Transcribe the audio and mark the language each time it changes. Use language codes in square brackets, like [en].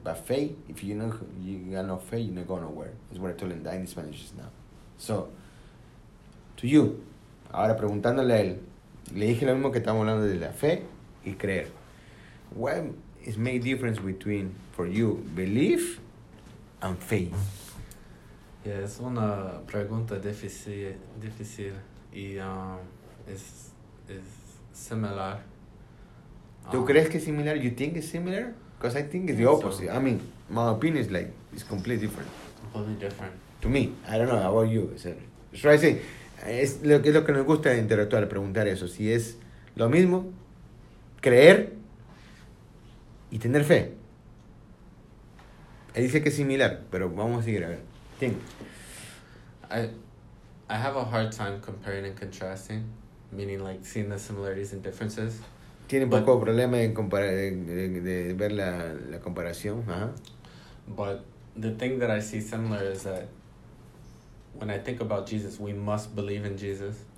[en] But faith, if you know you got no faith, you're not going nowhere. That's what I told him that in Spanish just now. So, to you, [es] ahora preguntándole a él, le dije lo mismo que estamos hablando de la fe y creer. [en] What is the difference between, for you, belief and faith? [es] Yeah, es una pregunta difícil y es similar. ¿Tú crees que es similar? [en] You think it's similar? Because I think it's the opposite. So. I mean, my opinion is like, it's completely different. Completely different. To me, I don't know, how about you? So I say, [es] es lo que nos gusta interactuar, preguntar eso. Si es lo mismo, creer y tener fe. Él dice que es similar, pero vamos a seguir, a ver. [en] Think. I have a hard time comparing and contrasting, meaning like seeing the similarities and differences. [es] Tiene poco problema en ver la comparación. [en] But the thing that I see similar is that when I think about Jesus, we must believe in Jesus.